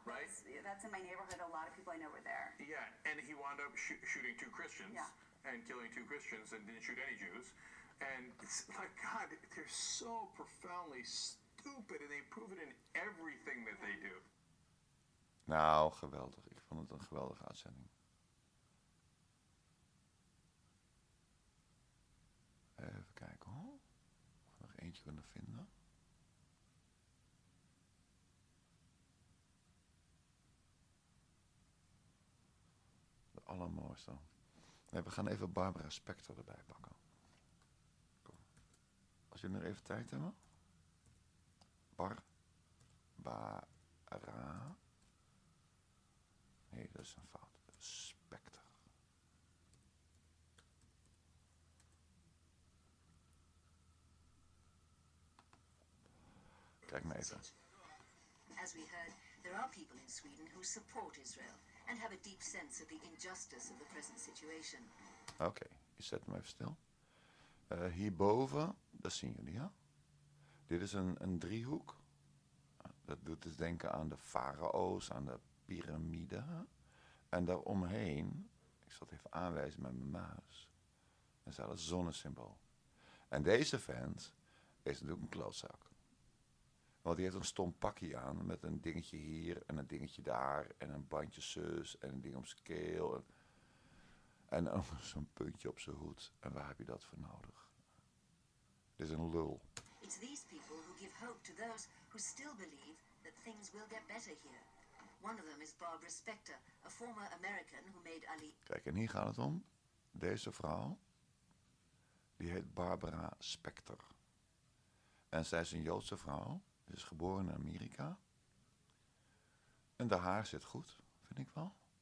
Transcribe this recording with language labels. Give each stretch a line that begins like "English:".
English: right? That's in my neighborhood. A lot of people I know were there. Yeah, and he wound up shooting two Christians, yeah, and killing two Christians and didn't shoot any Jews. And it's like, God, they're so profoundly stupid and they prove it in everything that they do.
Dutch: Nou, geweldig. Ik vond het een geweldige uitzending. Even kijken, hoor. Eentje kunnen vinden. De allermooiste. Nee, we gaan even Barbara Spector erbij pakken. Kom. Als jullie nog even tijd hebben. Barbara. Nee, dat is een fout. Spector.
English: As we heard, there are people in Sweden who support Israel and have a deep sense of the injustice of the present situation.
Dutch: Oké, je zet hem even stil. Hierboven, dat zien jullie, ja. Dit is een driehoek. Dat doet dus denken aan de farao's, aan de piramide. En daaromheen, ik zal het even aanwijzen met mijn muis, is dat een zonnesymbool. En deze vent is natuurlijk een klootzak. Want die heeft een stom pakje aan met een dingetje hier en een dingetje daar en een bandje zus en een ding om zijn keel. En ook zo'n puntje op zijn hoed. En waar heb je dat voor nodig? Dit is een lul.
English: It's these people who give hope to those who still believe that things will get better here. One of them is Barbara Spector, a former American who made Ali.
Dutch: Kijk, en hier gaat het om. Deze vrouw, die heet Barbara Spector. En zij is een Joodse vrouw. Ze is geboren in Amerika. En de haar zit goed, vind ik wel.